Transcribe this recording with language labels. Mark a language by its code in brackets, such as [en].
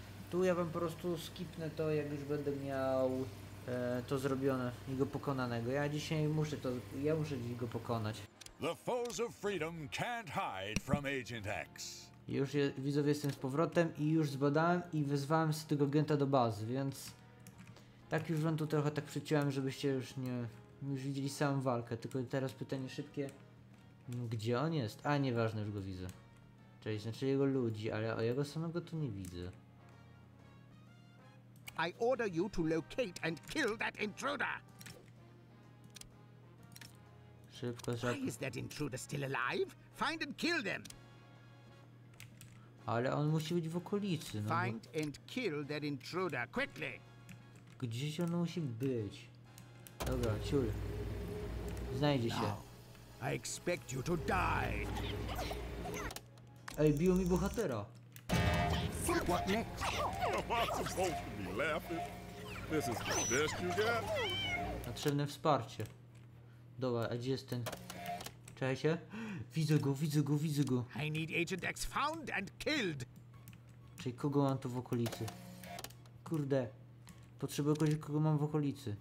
[pl] Tu ja wam po prostu skipnę to, jak już będę miał to zrobione i go pokonanego. Ja dzisiaj muszę to. Ja muszę dziś go pokonać. [en] The foes of freedom can't hide from Agent X. [pl] Już je, widzowie, jestem z powrotem i już zbadałem i wezwałem z tego agenta do bazy, więc tak już wam tu trochę tak przyciąłem, żebyście już nie. My już widzieli samą walkę, tylko teraz pytanie szybkie. Gdzie on jest? A, nieważne, już go widzę. Cześć, znaczy jego ludzi, ale o jego samego tu nie widzę. [en] I order you to locate and kill that intruder. [pl] Szybko, szybko. [en] Why is that intruder still alive? Find and kill them. [pl] Ale on musi być w okolicy, no. [en] Find and kill that intruder quickly. [pl] Gdzieś on musi być. Dobra, ciul. Znajdzie się. [en] I expect you to die. [pl] Ej, bił mi bohatera. [en] What next? This is the best you got. [pl] Potrzebne wsparcie. Dobra, a gdzie jest ten? Czekajcie. Widzę go, widzę go, widzę go. [en] I need Agent X found and killed. [pl] Czyli kogo mam tu w okolicy? Kurde. Potrzebuję kogoś, kogo mam w okolicy.